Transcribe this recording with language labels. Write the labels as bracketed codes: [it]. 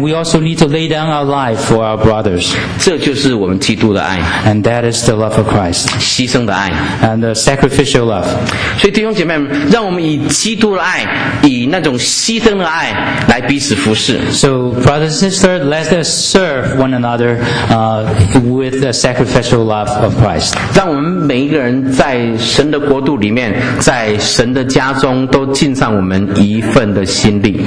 [en] we also need to lay down our life for our brothers. [zh] 这就是我们基督的爱。 [en] And that is the love of Christ. [zh] 牺牲的爱。 [en] And the sacrificial love. [zh] 所以弟兄姐妹们，让我们以基督的爱，以那种牺牲的爱来彼此服侍。 [en] So brothers and sisters, let us serve one another, with the sacrificial love of Christ. [zh] 让我们每一个人在神的国度里面，在神的家中都尽上我们一份的心力。